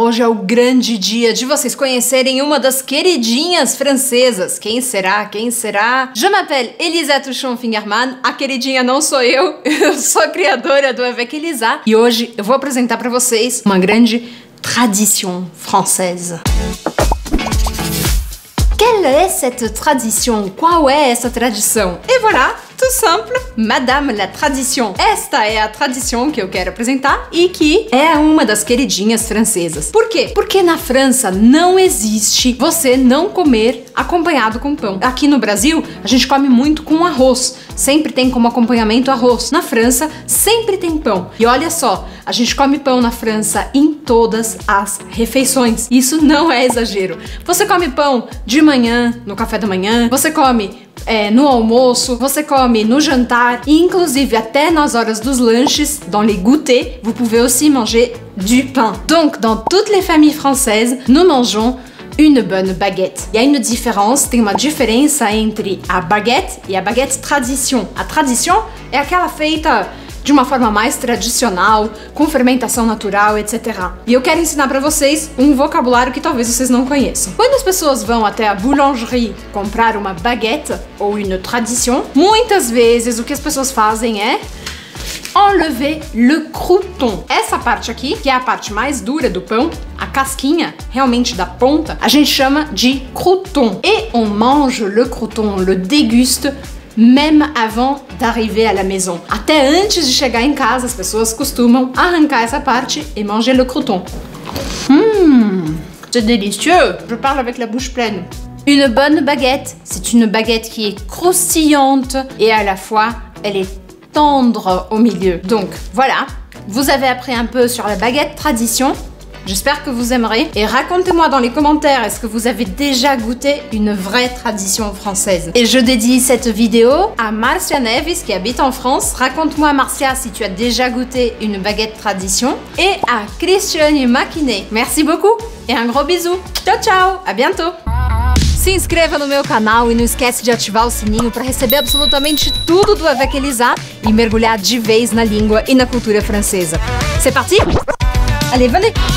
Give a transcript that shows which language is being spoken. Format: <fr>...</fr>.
<pt>Hoje é o grande dia de vocês conhecerem uma das queridinhas francesas. Quem será? Quem será?</pt> <fr>Je m'appelle Elisa Touchon-Fingerman.</fr> <pt>A queridinha não sou eu. Eu sou a criadora do Avec Elisa. E hoje eu vou apresentar pra vocês uma grande</pt> <fr>tradition française. Quelle est cette tradition?</fr> <pt>Qual é essa tradição?</pt> <fr>Et voilà! Tout simple, Madame la Tradition.</fr> <pt>Esta é a tradição que eu quero apresentar e que é uma das queridinhas francesas. Por quê? Porque na França não existe você não comer acompanhado com pão. Aqui no Brasil, a gente come muito com arroz. Sempre tem como acompanhamento arroz. Na França, sempre tem pão. E olha só, a gente come pão na França em todas as refeições. Isso não é exagero. Você come pão de manhã, no café da manhã, você come no almoço, você come no jantar, e inclusive até nas horas dos lanches,</pt> <fr>dans les goûters, vous pouvez aussi manger du pain. Donc, dans toutes les familles françaises, nous mangeons une bonne baguette.</fr> <pt>E aí, na diferença, tem uma diferença entre a baguette e a baguette tradition. A tradition é aquela feita de uma forma mais tradicional, com fermentação natural, etc. E eu quero ensinar pra vocês um vocabulário que talvez vocês não conheçam. Quando as pessoas vão até a boulangerie comprar uma baguette ou</pt> <fr>une tradition,</fr> <pt>muitas vezes o que as pessoas fazem é</pt> <fr>enlever le crouton.</fr> <pt>Essa parte aqui, que é a parte mais dura do pão, a casquinha, realmente da ponta, a gente chama de crouton.</pt> <fr>Et on mange le crouton, le déguste, même avant d'arriver à la maison.</fr> <pt>Até antes de chegar em casa, as pessoas costumam arrancar essa parte e</pt> <fr>manger le crouton. C'est délicieux. Je parle avec la bouche pleine. Une bonne baguette, c'est une baguette qui est croustillante et à la fois, elle est tendre au milieu. Donc, voilà. Vous avez appris un peu sur la baguette tradition. J'espère que vous aimerez. Et racontez-moi dans les commentaires, est-ce que vous avez déjà goûté une vraie tradition française? Et je dédie cette vidéo à Marcia Neves, qui habite en France. Raconte-moi, Marcia, si tu as déjà goûté une baguette tradition. Et à Christiane Maquinet. Merci beaucoup et un gros bisou.</fr> <it>Ciao, ciao,</it> <fr>à bientôt.</fr> <pt>Se inscreva no meu canal e não esquece de ativar o sininho para receber absolutamente tudo do Avec Elisa e mergulhar de vez na língua e na cultura francesa.</pt> <fr>C'est parti? Allez, venez!</fr>